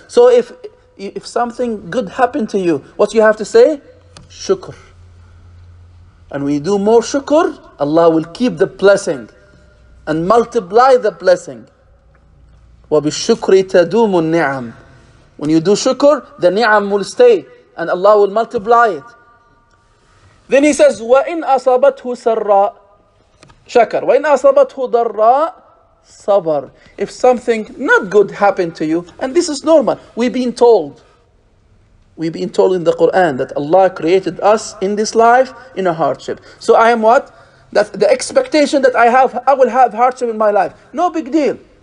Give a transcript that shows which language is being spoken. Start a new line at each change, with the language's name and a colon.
English: So if something good happened to you, what you have to say? Shukr. And when you do more shukr, Allah will keep the blessing and multiply the blessing.
Arabic: وَبِالشُّكْرِ تَدُومُ النِّعَمُ.
English: When you do shukr, the ni'am will stay and Allah will multiply it. Then he says,
Arabic: وَإِنْ أَصَابَتْهُ سَرَّاءُ شكر وإن أصابته ضراء صبر.
English: If something not good happened to you, and this is normal, we've been told in the Quran that Allah created us in this life in a hardship. So I am what? That the expectation that I will have hardship in my life. No big deal.